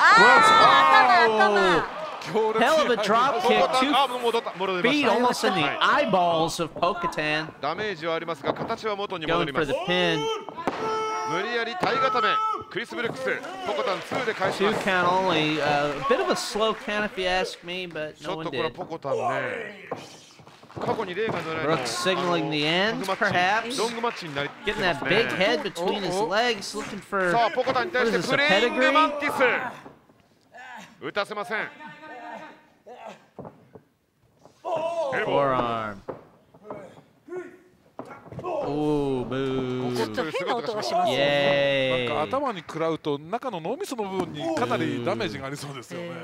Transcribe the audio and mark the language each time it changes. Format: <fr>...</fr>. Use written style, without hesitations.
<ja>頭。</ja> <en>Hell of a drop kick, two feet almost in the eyeballs of Pokatan.</en> <ja>Damage はありますが、形は元に戻ります。</ja> <en>Going for the pin.</en> <ja>無理やり体固め。クリス・ブルックス、ポコタン2で返します。</ja> <en>Two count only. A bit of a slow count if you ask me, but no one did.</en> <ja>ちょっとこれポコタンね。過去に例がない。</ja> <en>Brooks signaling the end, perhaps.</en> <ja>ロングマッチになり。</ja> <en>Getting that big head between his legs, looking for.</en> <ja>さあ、ポコタンに対してプレイングマンティス。打たせません。</ja> <en>Forearm. Ooh, boo. Yay.</en> <ja>なんか頭に食らうと中の脳みその部分にかなりダメージがありそうですよね。</ja>